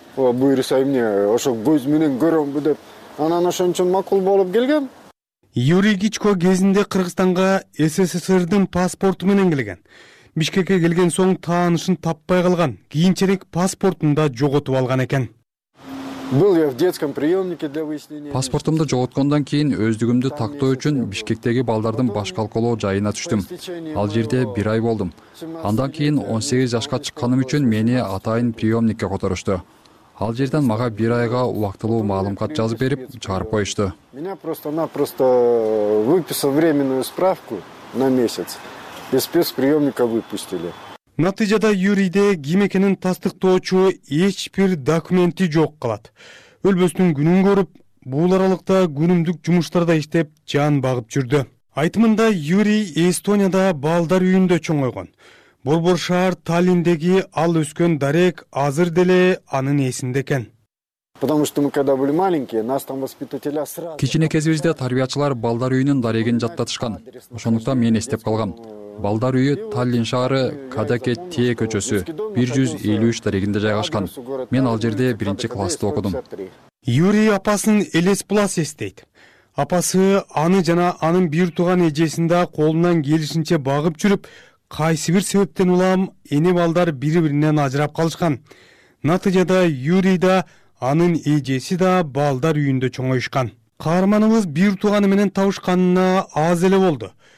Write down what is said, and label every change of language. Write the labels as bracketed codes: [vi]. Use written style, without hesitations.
[ky] Буюрса эмне ошо көз менен көрөмбү деп анан ошон үчүн макул болуп келгем. Юрий Гичко кезинде Кыргызстанга СССРдин паспорту менен келген. Бишкекке келген соң таанышын таппай калган, кийинчерек паспортун да жоготуп алган экен. [ru] Был я в детском приемнике для выяснения. [ky] Паспортумду жоготкондон кийин өздүгүмдү тактоо үчүн Бишкектеги балдардын башкалкалоо жайына түштүм. Ал жерде бир ай болдум. Андан кийин 18 жашка чыкканым үчүн мени атайын приемникке которушту. Ал жерден мага бир айга убактылуу маалымат жазып берип, чыгарып коюшту. [ru] Меня просто-напросто выписал временную справку на месяц. Из спецприемника выпустили. [ky] Натыйжада Юрийде ким экенин тастыктоочу эч бир документи жок калат. Өлбөстүн күнүн көрүп, бул аралыкта күнүмдүк жумуштарда иштеп, жан багып жүрдү. Айтымында Юрий Эстонияда балдар үйүндө чоңойгон. Борбор шаар Таллиндеги ал өскөн дарек азыр деле анын эсинде экен. [ru] Потому что мы когда были маленькие, нас там воспитателя сразу. [ky] Кичине кезибизде тарбиячылар балдар үйүнүн дарегин жаттатышкан. Ошондуктан мен эстеп калгам. Балдар үйү Таллин шаары Кадаке Тие көчөсү 153 дарегинде жайгашкан. Мен ал жерде биринчи классты окудум. Юрий апасын Элес Плас эстейт. Апасы аны жана анын бир тууган эжесин да колунан келишинче багып жүрүп, кайсы бир себептен улам эне балдар бири-биринен ажырап калышкан. Натыйжада Юрий да анын эжеси да балдар үйүндө чоңойушкан. Каарманыбыз бир тууганы менен табышканына аз эле болду.